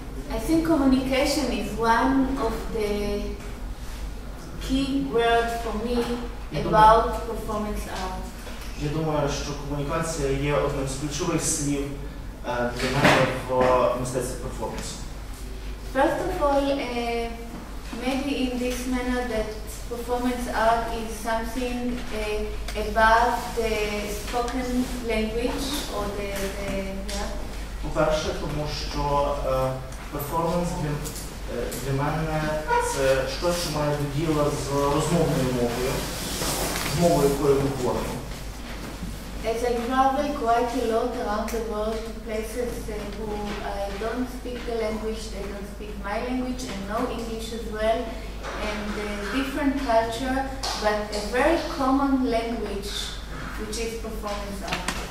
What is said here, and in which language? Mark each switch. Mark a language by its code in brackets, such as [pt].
[en] I think communication is one of the key words for me about performance art. [uk] Я думаю, що комунікація є одним з ключових слів для мене в мистецтві перформансу. [en] First of all, maybe in this manner that performance art is something above the spoken language or the yeah. [uk] По-перше, тому що перформанс для мене це щось, що має до діла з розмовною мовою, з мовою, якою ми говоримо. [en] As I travel quite a lot around the world to places where I don't speak the language, they don't speak my language and no English as well, and a different culture, but a very common language, which is performance art.